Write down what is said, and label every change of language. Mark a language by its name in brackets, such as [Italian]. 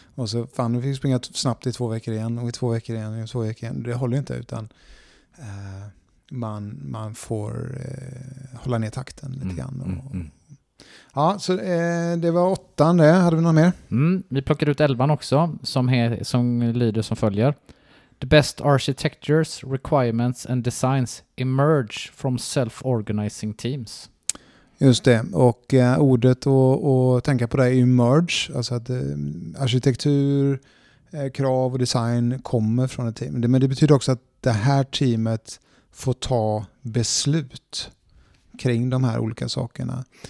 [Swedish] Och så fan, vi fick springa snabbt i 2 veckor igen och i 2 veckor igen och i 2 veckor igen. Det håller ju inte, utan man får hålla ner takten lite grann. Ja, så det var 8:an det. Hade vi något mer? Mm, vi plockade ut 11:an också, som lyder som följer. [English] The best architectures, requirements and designs emerge from self-organizing teams. [Swedish] Just det, och ordet och tänka på det är emerge. Alltså att arkitektur, krav och design kommer från ett team. Men det betyder också att det här teamet får ta beslut kring de här olika sakerna.